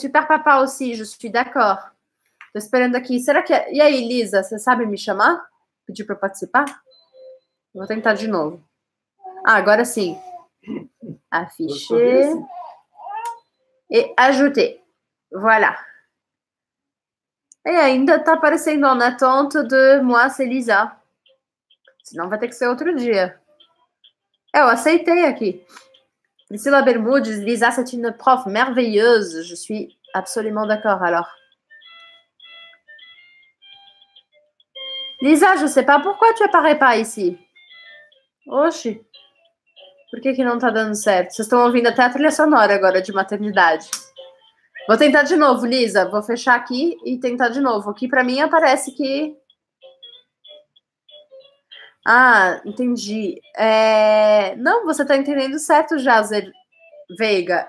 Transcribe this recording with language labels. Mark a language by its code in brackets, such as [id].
[fr] Super papa aussi, je suis d'accord. [pt] Tô esperando aqui. Será que... E aí, Lisa, você sabe me chamar? Pedir para participar? Vou tentar de novo. Ah, agora sim. Afficher. E ajouter. Voilà. E ainda tá aparecendo na tonta de moi, [fr] c'est Lisa. [pt] Senão vai ter que ser outro dia. Eu aceitei aqui. [fr] Priscila Bermudes, Lisa, c'est une prof merveilleuse. Je suis absolument d'accord, alors. Lisa, je ne sais pas pourquoi tu apparais pas ici. [pt] Oxi. Por que que não tá dando certo? Vocês estão ouvindo até a trilha sonora agora de maternidade. Vou tentar de novo, Lisa. Vou fechar aqui e tentar de novo. Aqui para mim aparece que... Ah, entendi. Não, você tá entendendo certo, Jazer Veiga.